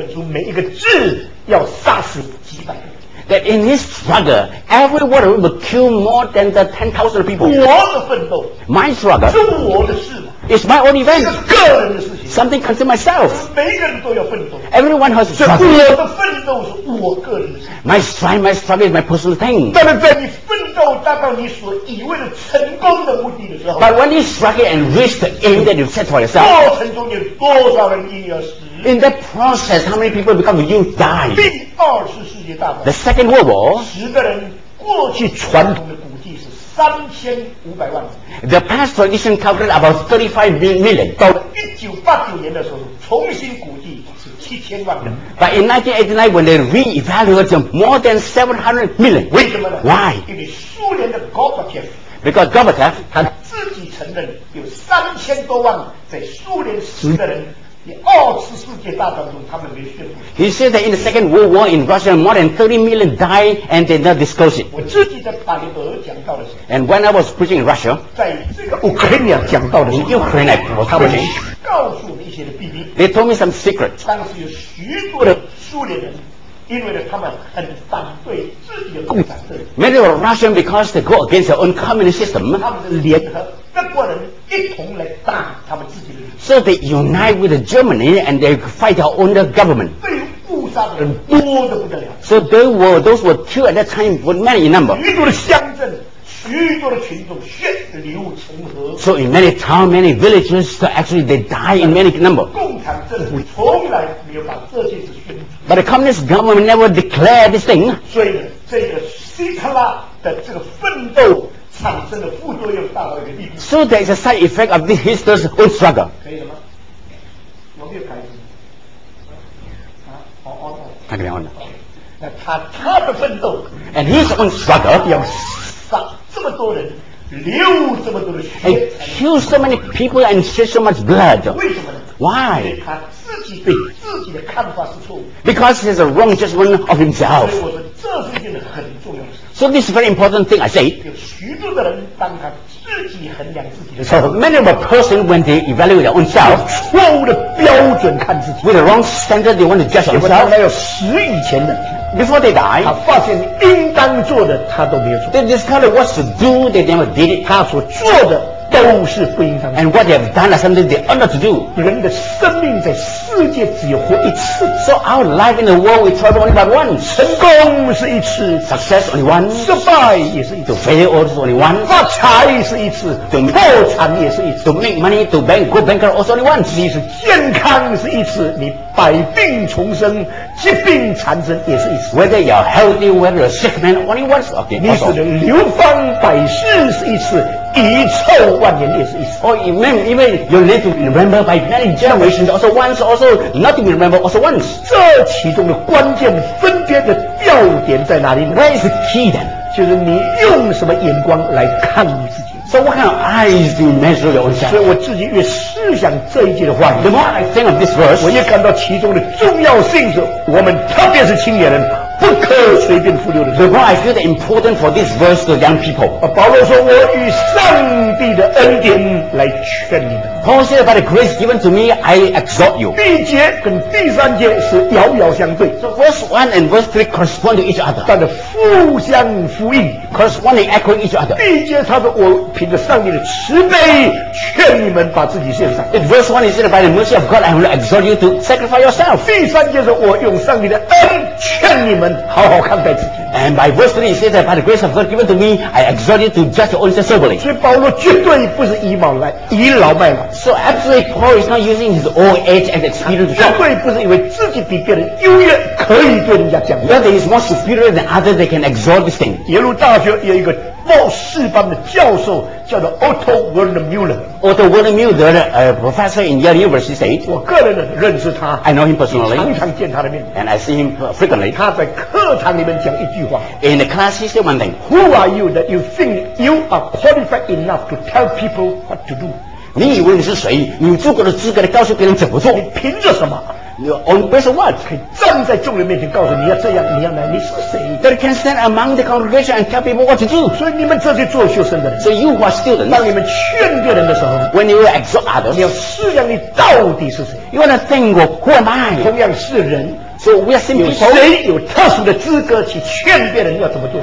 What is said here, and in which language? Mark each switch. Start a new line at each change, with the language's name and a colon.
Chinese: 每一个字要杀死几百个
English: That in his struggle, every word will kill more than the 10,000 people.
Chinese: 我的奋斗
English: My struggle
Chinese: 是我的事
English: It's my own event.
Chinese: 是个人的事情
English: Something concerns myself.
Chinese: 每个人都要奋斗
English: Everyone has struggle.
Chinese: 我的奋斗是我个人的事情
English: My struggle is my personal thing.
Chinese: 但是在你奋斗达到你所以为的成功的目的的时候
English: But when you struggle and reach the aim that you set for yourself,
Chinese: 过程中有多少人因而死
English: In that process, how many people become you die?
Chinese: 第二次世界大战
English: The Second World War.
Chinese: 十个人过去传统的估计是3500万。
English: The past tradition covered about 35 million.
Chinese: 到1989年的时候，重新估计是7000万人。
English: But in 1989, when they re-evaluated, more than 700 million.
Chinese: 为什么呢
English: ？Why?
Chinese: 因为苏联的 Gorbachev.
English: Because Gorbachev
Chinese: 他自己承认有3000多万在苏联死的人。二次世界大战中，他们没宣布。
English: He said that in the Second World War in Russia, more than 30 million died, and they not disclose it.
Chinese: 我自己在巴黎尔讲到的时候
English: ，And when I was preaching in Russia,
Chinese: 在这个乌克兰讲到的时候
English: ，Ukraine,
Chinese: 他们告诉我们一些的秘密。
English: They told me some secrets.
Chinese: 当时有许多的苏联人，因为他们很反对自己的共产党。
English: Many were Russian because they go against their own communist system.
Chinese: 他们是联合德国人一同来打他们自己的。
English: So they unite with Germany and they fight their own government.
Chinese: 对于五杀的人多得不得了。
English: So there were those were killed at that time were many in number.
Chinese: 许多的乡镇，许多的群众血流成河。
English: So in many town, many villages, actually they die in many number.
Chinese: 共产政府从来没有把这些事宣布。
English: But the communist government never declared this thing.
Chinese: 所以呢，这个希特拉的这个奋斗。产生的副作用大到一个地步。
English: So there is a side effect of this Hitler's own struggle.
Chinese: 可以了吗？我没有开始。他给两万的。他的奋斗。
English: And his own struggle.
Chinese: 要杀这么多人，流这么多的血。
English: And kill so many people and shed so much blood.
Chinese: 为什么呢？
English: Why?
Chinese: 因为他自己对自己的看法是错误。
English: Because he has a wrong judgment of himself.
Chinese: 所以我说这是一件很重要的事。
English: So this is a very important thing I say. So many of a person when they evaluate their own self,
Chinese: 错误的标准看自己
English: with a wrong standard they want to judge themselves.
Chinese: 他要死以前的
English: before they die,
Chinese: 他发现应当做的他都没有做
English: They discovered what to do, they never did it.
Chinese: 他所做的都是不应当的
English: And what they have done is something they ought not to do.
Chinese: 人的生命在世界只有活一次
English: So our life in the world we travel only but once
Chinese: 成功是一次
English: Success only once
Chinese: 失败也是一次
English: To failure also only once
Chinese: 发财是一次
English: To
Chinese: 破产也是一次
English: To make money to bank go bankrupt also only once
Chinese: 你是健康是一次你百病重生疾病缠身也是一次
English: Whether you are healthy whether you are sick man only once okay,
Chinese: 你是流芳百世是一次遗臭万年也是一次
English: Or even your name to be remembered by many generations also once also not to be remembered also once
Chinese: 这其中的关键分别的要点在哪里呢
English: Where is the key then
Chinese: 就是你用什么眼光来看你自己
English: So what kind of eyes do you measure yourself
Chinese: 所以我自己越思想这一句的话
English: The more I think of this verse
Chinese: 我越感到其中的重要性是我们特别是青年人不可随便忽略的。
English: The why I feel important for this verse to young people.
Chinese: 保罗说：“我以上帝的恩典来劝你们。”
English: Paul said, "By the grace given to me, I exhort you."
Chinese: 第一节跟第三节是遥遥相对。
English: So verse 1 and verse 3 correspond to each other.
Chinese: 但是互相呼应
English: ，correspond and echo each other.
Chinese: 第一节他说：“我凭着上帝的慈悲劝你们把自己献上。”
English: In verse 1 he said, "By the mercy of God, I will exhort you to sacrifice yourself."
Chinese: 第三节说：“我用上帝的恩劝你们。” 好好看待自己
English: And by verse 3 he says that by the grace of God given to me I exhort you to judge your own self soberly
Chinese: 所以保罗绝对不是倚老卖老
English: So absolutely Paul is not using his old age and experience
Chinese: 绝对不是因为自己比别人优越可以对人家讲
English: Whether he is more superior than others they can exhort this thing
Chinese: 耶鲁大学有一个博士班的教授叫做 Otto Werner-Müller
English: Otto Werner-Müller professor in Yale University
Chinese: 我个人认识他
English: I know him personally
Chinese: 常常见他的面
English: And I see him frequently
Chinese: 他在课堂里面讲一句话
English: In the class he said one thing Who are you that you think you are qualified enough to tell people what to do
Chinese: 你以为你是谁你有足够的资格来告诉别人怎么做你凭着什么
English: On base of what?
Chinese: 可以站在众人面前告诉你要这样，你要那，你是谁
English: ？That can stand among the congregation and tell people what to do.
Chinese: 所以你们这些做学生的人
English: ，So you who are students,
Chinese: 当你们劝别人的时候
English: ，When you exhort others,
Chinese: 你要思量你到底是谁
English: ？You wanna think who am I?
Chinese: 同样是人。
English: So we are simply told,
Chinese: 谁有特殊的资格去劝别人要怎么做